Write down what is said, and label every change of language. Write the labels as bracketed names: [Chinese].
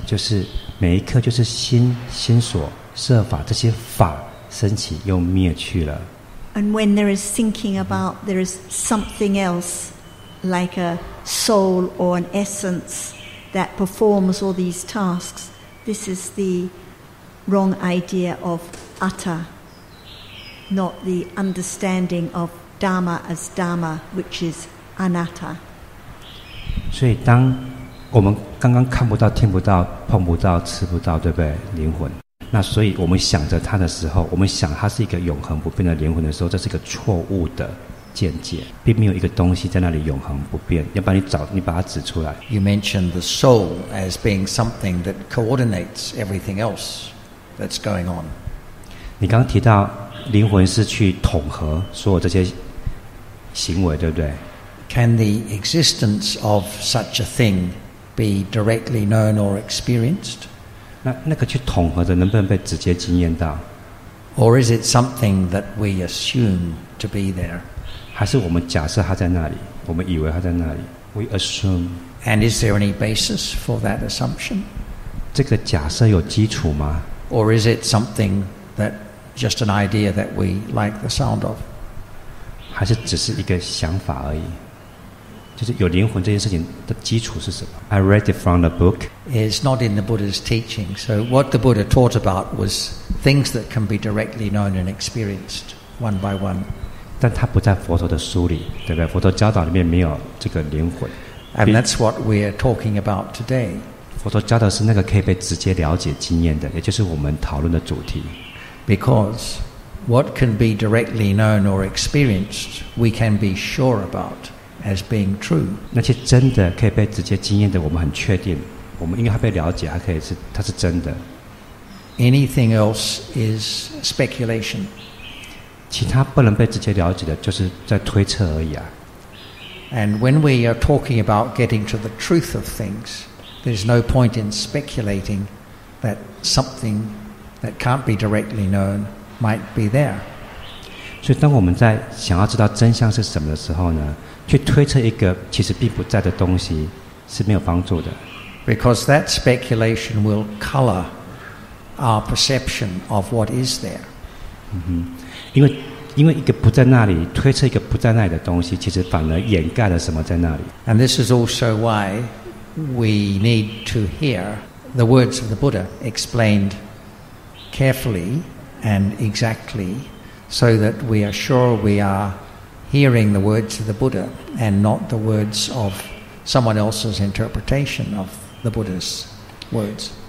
[Chinese] 就是每一刻，就是心心所设法，这些法升起又灭去了。 [English] And when there is thinking about, there is something else, like a soul or an essence that performs all these tasks. This is the wrong idea of. Utter, not the understanding of Dharma as Dharma, which is anatta. [Chinese] 所以，当我们刚刚看不到、听不到、碰不到、吃不到，对不对？灵魂。那所以我们想着它的时候，我们想它是一个永恒不变的灵魂的时候，这是一个错误的见解，并没有一个东西在那里永恒不变。要把你找，你把它指出来。 [English] You mentioned the soul as being something that coordinates everything else that's going on. [Chinese] 你刚刚提到灵魂是去统合所有这些行为，对不对？ [English] Can the existence of such a thing be directly known or experienced? [Chinese] 那个去统合的能不能被直接经验到？ [English] Or is it something that we assume to be there? [Chinese] 还是我们假设它在那里，我们以为它在那里。 [English] We assume. And is there any basis for that assumption? [Chinese] 这个假设有基础吗？ [English] Or is it somethingthat just an idea that we like the sound of. [Chinese] 还是只是一个想法而已。就是有灵魂这件事情的基础是什么？ [English] I read it from the book. It's not in the Buddha's teaching. So what the Buddha taught about was things that can be directly known and experienced one by one. [Chinese] 但它不在佛陀的书里，对不对？佛陀教导里面没有这个灵魂。 [English] And that's what we're talking about today. [Chinese] 佛陀教导是那个可以被直接了解经验的，也就是我们讨论的主题。 [English] Because what can be directly known or experienced, we can be sure about as being true. [Chinese] 那些真的可以被直接经验的，我们很确定。我们因为它被了解，它可以是它是真的。 [English] Anything else is speculation. [Chinese] 其他不能被直接了解的，就是在推测而已啊。 [English] And when we are talking about getting to the truth of things, there's no point in speculating that something that can't be directly known might be there. [Chinese] 所以当我们在想要知道真相是什么的时候呢，去推测一个其实并不在的东西是没有帮助的。 [English] Because that speculation will color our perception of what is there. [Chinese] 因为一个不在那里，推测一个不在那里的东西，其实反而掩盖了什么在那里。 [English] And this is also why we need to hear the words of the Buddha explained carefully and exactly, so that we are sure we are hearing the words of the Buddha and not the words of someone else's interpretation of the Buddha's words.